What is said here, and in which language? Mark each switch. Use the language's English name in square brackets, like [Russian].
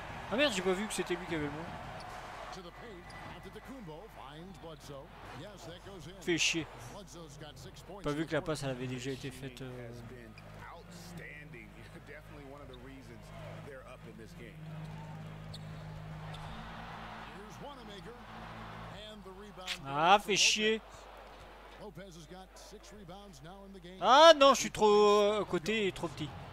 [French] Ah merde, j'ai pas vu que c'était lui qui avait le mot. [English] To the paint, Antetokounmpo finds Bledsoe. Yes, that goes in. [French] Fait chier. [English] Bledsoe's got 6 points. [French] Pas vu que la passe elle avait déjà été faite. [English] Outstanding. Definitely one of the reasons they're up in this game. Here's Wanamaker. And the rebound. [French] Ah, fait chier. [English] Lopez has got 6 rebounds now in the game. [French] Ah non, je suis trop à côté et trop petit.